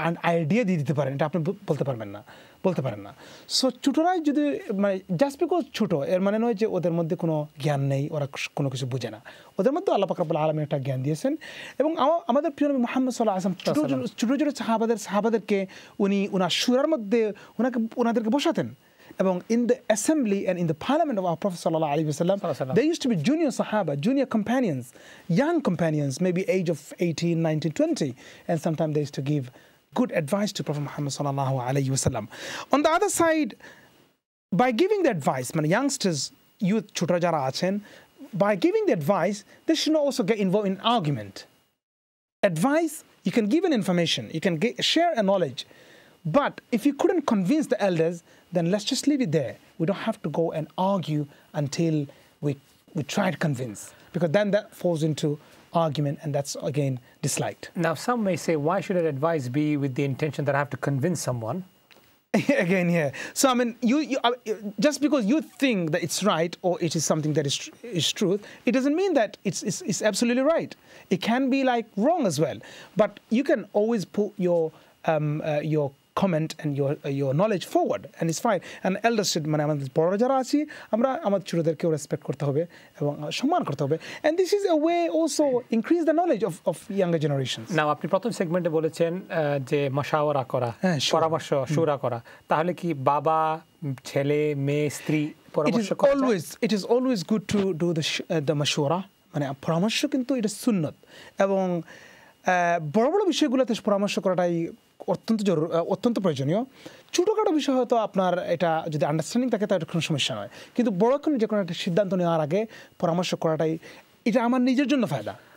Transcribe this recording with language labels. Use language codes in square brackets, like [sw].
[bn] Idea দিয়ে দিতে পারেন এটা আপনি বলতে পারেন না সো ছোটোরাই যদি মানে জাস্ট বিকজ ছোটো এর মানে নয় যে ওদের মধ্যে কোনো জ্ঞান নেই ওরা কোনো কিছু বোঝে না ওদের মধ্যে আল্লাহ পাক রব্বুল আলামিন একটা জ্ঞান দিয়েছেন এবং আমাদের প্রিয় নবী মুহাম্মদ সাল্লাল্লাহু আলাইহি ওয়াসাল্লাম ছোটো সাহাবাদেরকে উনি ওনার সুরার মধ্যে ওনাদেরকে বসাতেন এবং [en] In the assembly and in the parliament of our prophet সাল্লাল্লাহু আলাইহি ওয়াসাল্লাম they use to be junior সাহাবা junior companions young companions may be age of 18, 19, 20 and sometime they use to give good advice to Prophet Muhammad sallallahu alaihi wasallam. On the other side, by giving the advice, man, youngsters, youth, [bn] chutra jara achen, [en] by giving the advice, they should not also get involved in argument. Advice, you can give an information, you can share a knowledge, but if you couldn't convince the elders, then let's just leave it there. We don't have to go and argue until we try to convince, because then that falls into argument, and that's again disliked. Now, some may say, why should an advice be with the intention that I have to convince someone? Again, yeah. So, I mean, just because you think that it's right or it is something that is truth, it doesn't mean that it's absolutely right. It can be like wrong as well. But you can always put your comment and your knowledge forward, and it's fine. And elders should, [bn] মানে আমাদের বড়রা যারা আছি, আমরা আমাদের ছোটদেরকেও respect করতে হবে এবং সম্মান করতে হবে. [en] And this is a way also increase the knowledge of younger generations. [bn] Now, আপনি প্রথম সেগমেন্টে বলেছেন যে মশাওয়ারা করা, পরামর্শ শুরু করা. তাহলে কি বাবা, ছেলে, মেয়ে, স্ত্রী পরামর্শ করে? [en] It is always good to do the mashura. [bn] মানে পরামর্শ কিন্তু এটা সুন্নত এবং বড় বড় বিষয়গুলোতে পরামর্শ করাটাই অত্যন্ত প্রয়োজনীয়. ছোটোখাটো বিষয় হয়তো আপনার এটা যদি আন্ডারস্ট্যান্ডিং থাকে তাহলে কোনো সমস্যা নয়, কিন্তু বড় কোনো যে কোনো একটা সিদ্ধান্ত নেওয়ার আগে পরামর্শ করাটাই এটা আমার নিজের জন্য ফায়দা.